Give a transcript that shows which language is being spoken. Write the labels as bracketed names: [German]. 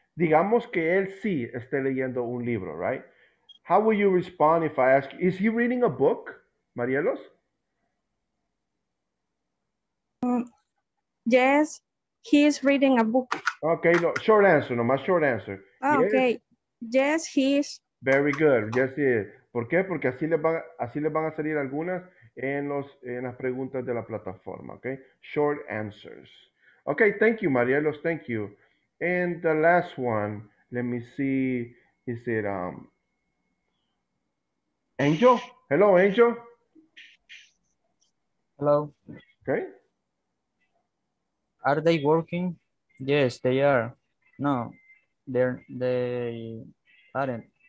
[Spanish] Digamos que él sí esté leyendo un libro, right? [English] How will you respond if I ask, is he reading a book, Marielos? Yes, he is reading a book. Okay, no, short answer, [Spanish] no más [English] short answer. Oh, yes. Okay, yes, he is. Very good, yes, he is. [Spanish] ¿Por qué? Porque así le van a salir algunas en las preguntas de la plataforma, okay? [English] Short answers. Okay, thank you, Marielos, thank you. And the last one, let me see, is it Angel? Hello, Angel. Hello. Okay. Are they working? Yes, they are. No, they aren't.